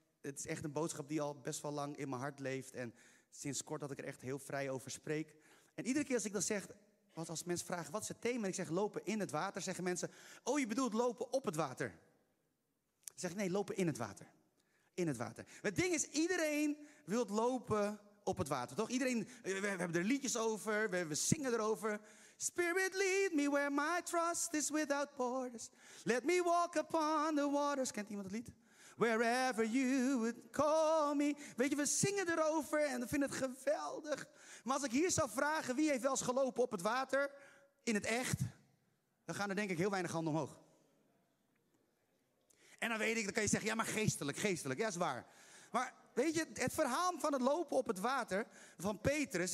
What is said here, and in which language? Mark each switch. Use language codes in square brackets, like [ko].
[nl] Het is echt een boodschap die al best wel lang in mijn hart leeft. En sinds kort dat ik er echt heel vrij over spreek. En iedere keer als ik dat zeg, als mensen vragen wat is het thema? En ik zeg lopen in het water, zeggen mensen, oh je bedoelt lopen op het water. Dan zeg ik nee, lopen in het water. In het water. Het ding is, iedereen wil lopen op het water, toch? Iedereen, we hebben er liedjes over, we zingen erover. [en] Spirit, lead me where my trust is without borders. Let me walk upon the waters. [nl] Kent iemand het lied? [en] Wherever you would call me. [nl] Weet je, we zingen erover en we vinden het geweldig. Maar als ik hier zou vragen, wie heeft wel eens gelopen op het water? In het echt? Dan gaan er denk ik heel weinig handen omhoog. En dan weet ik, dan kan je zeggen, ja maar geestelijk. Ja, is waar. Maar weet je, het verhaal van het lopen op het water van Petrus.